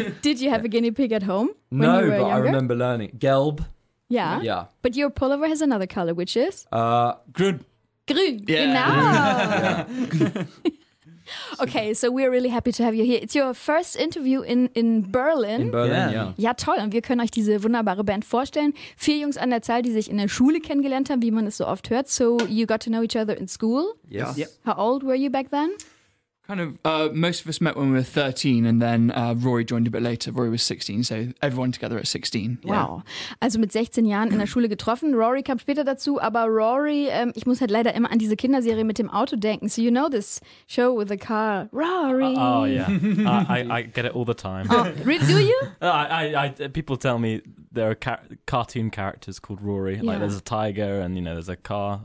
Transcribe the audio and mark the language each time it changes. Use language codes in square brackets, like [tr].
[en] Did you have a guinea pig at home? No, when you were but younger? I remember learning. Gelb. Yeah. Yeah. But your pullover has another color, which is? [de] Grün. Grün. [en] Yeah. [de] Genau. Grün. Yeah. [en] Okay, so we're really happy to have you here. It's your first interview in Berlin. In Berlin, yeah. [de] Ja, toll. Und wir können euch diese wunderbare Band vorstellen. Vier Jungs an der Zahl, die sich in der Schule kennengelernt haben, wie man es so oft hört. [en] So you got to know each other in school. Yes. Yep. How old were you back then? Kind of, most of us met when we were 13 and then Rory joined a bit later. Rory was 16, so everyone together at 16. [de] Wow. Also mit 16 Jahren in der Schule getroffen. Rory kam später dazu, aber Rory, ich muss halt leider immer an diese Kinderserie mit dem Auto denken. [en] So you know this show with the car, Rory. I get it all the time. Do you? I people tell me there are cartoon characters called Rory. Yeah. Like there's a tiger and, you know, there's a car.